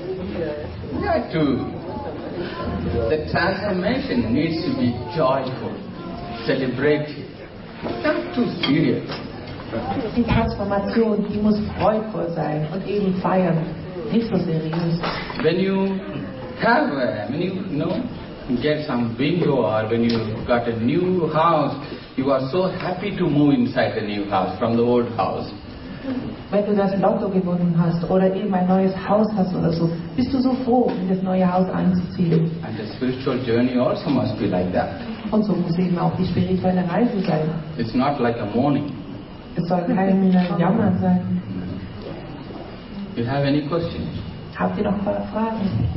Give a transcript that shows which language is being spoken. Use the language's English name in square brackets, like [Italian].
[English] To the transformation needs to be joyful, celebrated, not too serious. [German] Die Transformation, die muss freudvoll sein und eben feiern, nicht so seriös. [English] When you have, when you know, get some bingo or when you got a new house, you are so happy to move inside the new house from the old house. [German] Wenn du das Lotto gewonnen hast oder eben ein neues Haus hast oder so, bist du so froh, in das neue Haus einzuziehen. [English] And the spiritual journey also must be like that. [German] Und so muss eben auch die spirituelle Reise sein. [English] It's not like a mourning. [German] Es soll kein Jammern sein. [English] You have any questions? [German] Habt ihr noch ein paar Fragen?